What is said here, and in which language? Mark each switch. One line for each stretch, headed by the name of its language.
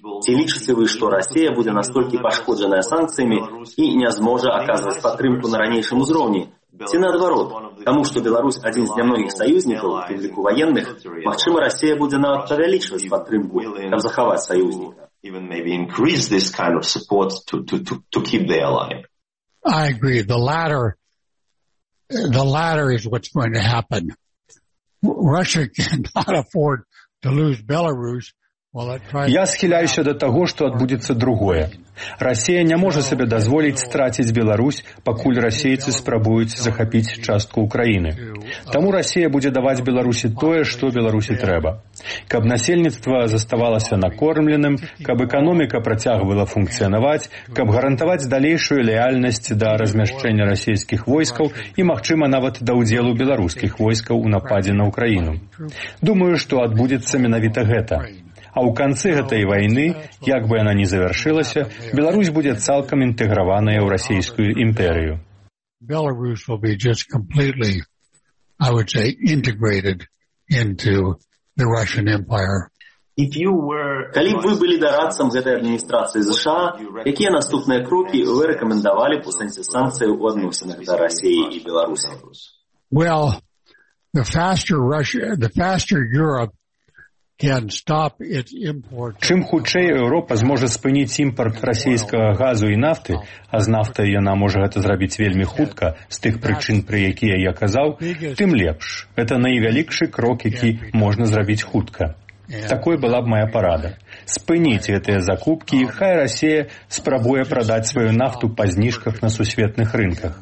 Belarusian: Ці лічыце вы, што Расія будзе настолькі пашкоджаная санкцыямі і не зможа аказваць падтрымку на ранейшым узроўні? Ці наадварот, таму што Беларусь адзін з нямногіх саюзнікаў, у тым ліку ваенных, магчыма, Расія будзе нават павялічваць падтрымку, каб захаваць саюзніка?
English: Even maybe increase this kind of support to keep the ally. I agree. The latter is what's going to happen. Russia cannot afford to lose Belarus.
Belarusian: Я схіляюся да таго, што адбудзецца другое. Расія не можа сабе дазволіць страціць Беларусь, пакуль расейцы спрабуюць захапіць частку Украіны. Таму Расія будзе даваць Беларусі тое, што Беларусі трэба. Каб насельніцтва заставалася накормленым, каб эканоміка працягвала функцыянаваць, каб гарантаваць далейшую лаяльнасць да размяшчэння расійскіх войскаў і, магчыма, нават да ўдзелу беларускіх войскаў у нападзе на Украіну. Думаю, што адбудзецца менавіта гэта. А ў канцы гэтай вайны, як бы яна ні завершылася, Беларусь будзе цалкам інтэграваная ў расійскую імперыю. Беларусь will be just completely, I would say, integrated into the Russian Empire. If you were... Калі б вы былі дарадцам гэтай адміністрацыі США, якія наступныя крокі вы рэкамендавалі па сэнсе санкцый у адносінах да Расіі і Беларусі?
English: Well, the faster Europe can stop its import.
Belarusian: Чым хутчэй Еўропа зможа спыніць імпорт расійскага газу і нафты, а з нафтай яна можа гэта зрабіць вельмі хутка, з тых прычын, пры якія я казаў, тым лепш. Гэта найвялікшы крок, які можна зрабіць хутка. Такой была б мая парада. Спыніць гэтыя закупкі, і хай Расія спрабуе прадаць сваю нафту па зніжках на сусветных рынках.